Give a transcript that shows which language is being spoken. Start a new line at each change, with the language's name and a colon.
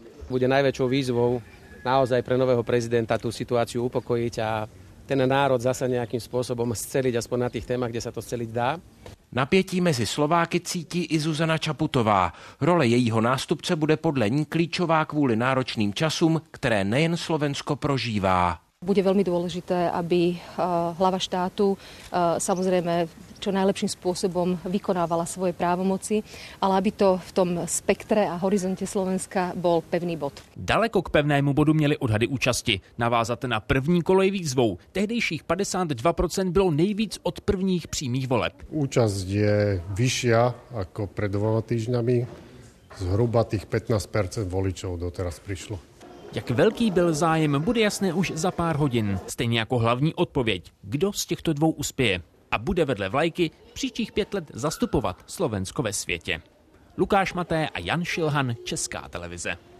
Slovak: Bude největší výzvou naozaj pro nového prezidenta tu situaci upokojit a ten národ zase nějakým způsobem zcelit, aspoň na těch témach, kde se to zcelit dá.
Czech: Napětí mezi Slováky cítí i Zuzana Čaputová. Role jejího nástupce bude podle ní klíčová kvůli náročným časům, které nejen Slovensko prožívá.
Slovak: Bude veľmi dôležité, aby hlava štátu samozrejme čo najlepším spôsobom vykonávala svoje právomoci, ale aby to v tom spektre a horizonte Slovenska bol pevný bod.
Czech: Daleko k pevnému bodu měli odhady účasti. Navázat na první kolo je výzvou. Tehdejších 52% bylo nejvíc od prvních přímých voleb.
Slovak: Účast je vyššia ako pred 2 týždňami. Zhruba tých 15% voličov doteraz prišlo.
Czech: Jak velký byl zájem, bude jasné už za pár hodin. Stejně jako hlavní odpověď, kdo z těchto dvou uspěje a bude vedle vlajky příštích 5 let zastupovat Slovensko ve světě. Lukáš Maté a Jan Šilhan, Česká televize.